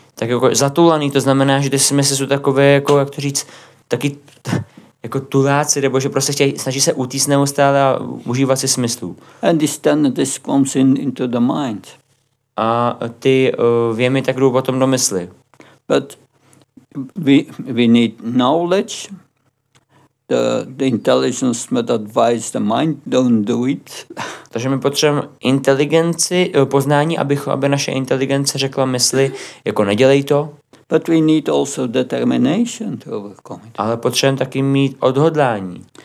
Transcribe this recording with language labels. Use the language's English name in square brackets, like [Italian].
[Czech] Tak jako zatulený, to znamená, že ty smysly jsou takové jako, jak to říct, taky jako tuláci, nebo že prostě snaží se utíst neustále a užívat si smyslů. [English] And this tendency comes into the mind. [Czech] A ty věmy tak jdou potom do mysli. [English] But we need knowledge. The intelligence must advise the mind, don't do it. [Czech] Takže my potřebujeme inteligenci, poznání, aby naše inteligence řekla mysli, jako nedělej to. [English] But we need also determination to overcome it. [Czech] Ale potřebujeme taky mít odhodlání.